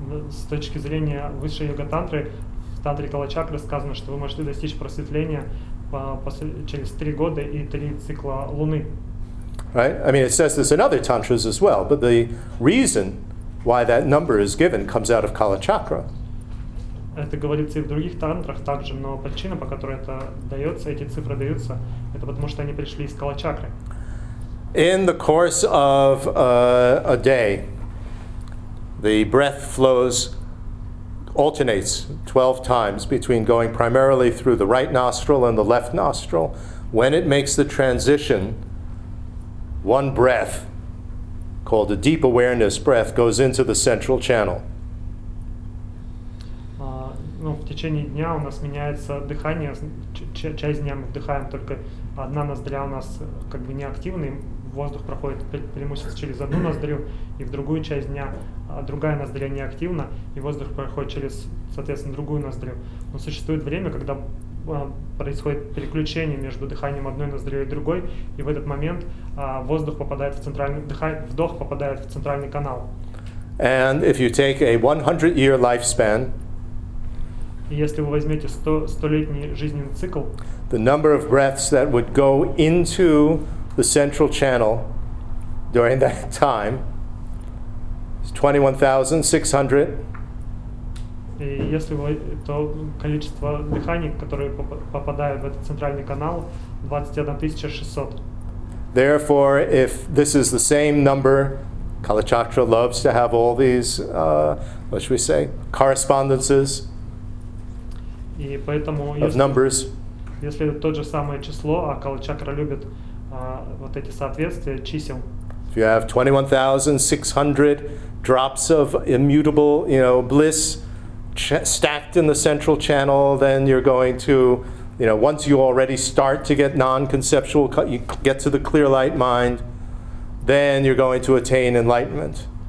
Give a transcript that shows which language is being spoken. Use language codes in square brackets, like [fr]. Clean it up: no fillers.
[ru] С точки зрения высшей йога-тантры, в тантре Калачакры сказано, что вы можете достичь просветления через 3 года и 3 цикла луны. [en] Right? I mean, it says this in other tantras as well, but the reason why that number is given comes out of Kala Chakra. [ru] Это говорится и в других тантрах также, но причина, по которой это дается, эти цифры даются, это потому что они пришли из Кала Чакры. [en] In the course of a day, the breath flows, alternates 12 times between going primarily through the right nostril and the left nostril. When it makes the transition, one breath, called a deep awareness breath, goes into the central channel. [ru] Ну, в течение дня у нас меняется дыхание. Часть дня мы вдыхаем только одна ноздря у нас как бы неактивный. Воздух проходит преимущественно через одну ноздрю, и в другую часть дня другая ноздря неактивна, и воздух проходит через, соответственно, другую ноздрю. Но существует время, когда происходит переключение между дыханием одной ноздрю и другой, и в этот момент воздух попадает в центральный, вдох попадает в центральный канал. [en] And if you take a 100-year lifespan, [ru] если вы возьмете 100-летний жизненный цикл, [en] the number of breaths that would go into the central channel during that time is 21,600. [ru] И если вы, то количество дыханий, которые попадают в этот центральный канал, 21,600. [en] Therefore, if this is the same number, Kala Chakra loves to have all these, what should we say, correspondences. [ru] И поэтому, [en] of [ru] если, [en] numbers. [ru] Если это то же самое число, а Kala Chakra любит вот эти соответствия чисел. [en] If you have 21,600 drops of immutable, you know, bliss stacked in the central channel, then you're going to, you know, once you already start to get non-conceptual, you get to the clear light mind, then you're going to attain enlightenment.